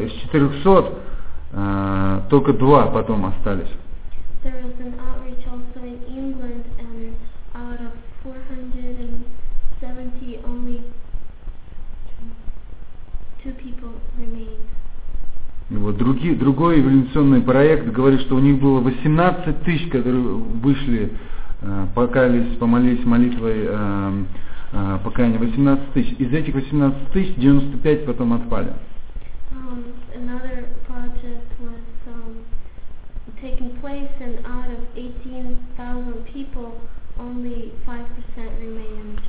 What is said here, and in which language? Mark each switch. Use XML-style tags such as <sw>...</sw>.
<ru>Из 400 только 2 потом остались.</ru> <en>There was an outreach also in England, and out of 470, only 2 people remained.</en> <ru>Вот другой эволюционный проект говорит, что у них было 18 тысяч, которые вышли, покаялись, помолились молитвой покаяния, 18 тысяч. Из этих 18 тысяч 95 потом отпали.</ru> <en>Another project was taking place, and out of 18,000 people, only 5% remained.</en>